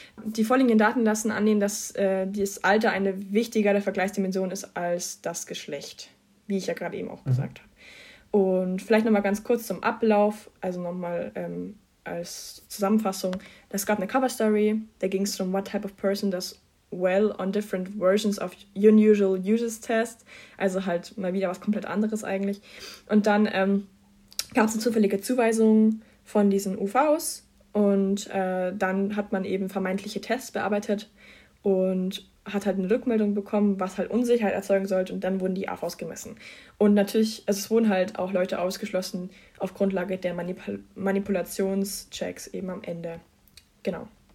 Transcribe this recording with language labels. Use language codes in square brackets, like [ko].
[de] Die vorliegenden Daten lassen annehmen, dass das Alter eine wichtigere Vergleichsdimension ist als das Geschlecht, wie ich ja gerade eben auch gesagt habe. Und vielleicht nochmal ganz kurz zum Ablauf, also nochmal als Zusammenfassung. Es gab eine Cover Story, da ging es um [en] what type of person does well on different versions of unusual uses test. [de] Also halt mal wieder was komplett anderes eigentlich. Und dann gab es eine zufällige Zuweisung von diesen UVs. Und dann hat man eben vermeintliche Tests bearbeitet und hat halt eine Rückmeldung bekommen, was halt Unsicherheit erzeugen sollte. Und dann wurden die AVs gemessen. Und natürlich, also es wurden halt auch Leute ausgeschlossen auf Grundlage der Manipulationschecks eben am Ende. Genau.